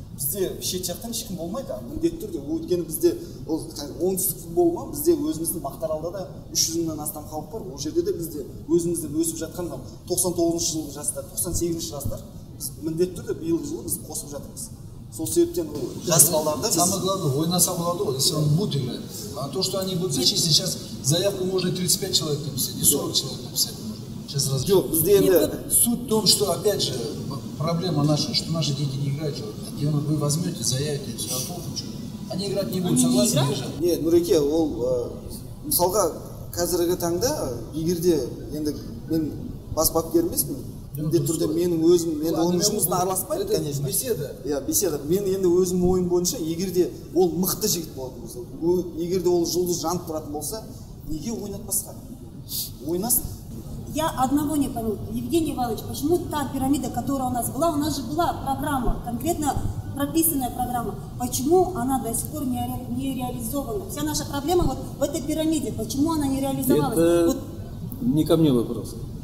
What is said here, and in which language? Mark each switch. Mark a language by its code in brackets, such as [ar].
[kk] Бізде шет жақтан ешкім болмайды, міндетті түрде. Өйткені бізде ол оңтүстік футбол ма, бізде өзіміздің Мақтаралда да 300-ден астам халық бар. Ол жерде де бізде өзіміздің өсіп жатқан 99-шы жылғы жастар, 98-шы жастар. Біз міндетті түрде биылғы жылы біз қосып жатырмыз. Сол себептен ол жас балаларды [ru] самое главное [kk] ойнаса болады ғой, [ru] если он будет играть. А то, что они будут зачесть, сейчас заявку можно 35 человек написать, не 40 человек написать. Сейчас разберемся. Суть в том, что опять же проблема наша, что наши дети не играют. Где вы возьмете, заявите, все оплачу. Они играть не будут, согласен? [kk] Нет, ну реке, ол, мысалға, қазіргі таңда, егерде, енді, мен бас бапкер емеспін. Де түрде менің өзім, мен оның жұмысына араласпаймын, конечно. [ru] Беседа. [kk] Иә, беседа. Мен енді өзім ойым бойынша, егерде ол мықты жігіт болатын болса, егерде ол жұлдыз жанып тұратын болса, неге ойнатпасқа? Ойнасын. [ru] Я одного не пойму, Евгений Иванович, почему та пирамида, которая у нас же была программа, конкретно прописанная программа, почему она до сих пор не реализована? Вся наша проблема вот в этой пирамиде, почему она не реализовалась? Это вот... не ко мне вопрос.